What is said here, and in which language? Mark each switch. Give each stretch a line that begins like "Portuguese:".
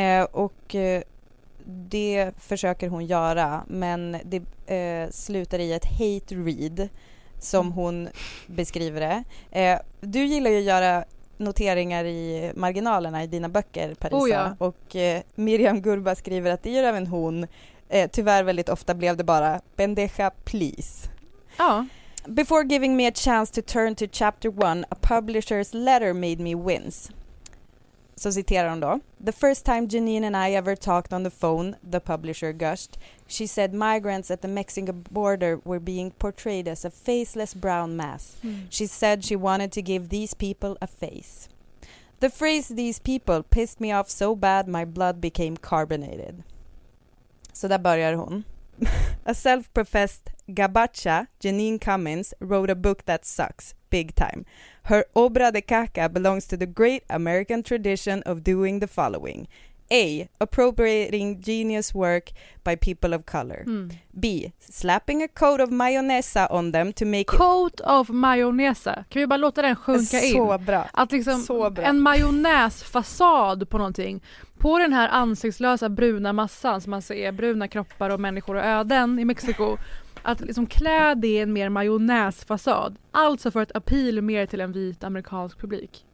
Swedish: Och det försöker hon göra, men det slutar i ett hate read som hon beskriver det. Du gillar ju att göra noteringar i marginalerna i dina böcker, Parisa. Oh ja. Och Miriam Gurba skriver att det gör även hon. Tyvärr väldigt ofta blev det bara
English: "Bendeja, please."
Swedish: Ja.
English: "Before giving me a chance to turn to chapter one, a publisher's letter made me wince."
Swedish: Så citerar hon då.
English: "The first time Janine and I ever talked on the phone," the publisher gushed, "she said migrants at the Mexican border were being portrayed as a faceless brown mass." Mm. "She said she wanted to give these people a face. The phrase 'these people' pissed me off so bad my blood became carbonated."
Swedish: Så där börjar hon.
English: "A self-professed gabacha, Janine Cummins, wrote a book that sucks, big time. Her
Spanish: obra de caca
English: belongs to the great American tradition of doing the following. A. Appropriating genius work by people of color. Mm. B. Slapping a coat of mayonesa on them to make coat of mayonesa."
Swedish: Kan vi bara låta den sjunka så in? Så bra. Att liksom så bra. En majonnäsfasad på någonting. På den här ansiktslösa bruna massan som man ser bruna kroppar och människor och öden i Mexiko. Att liksom klä det i en mer majonnäsfasad. Alltså för att appeal mer till en vit amerikansk publik.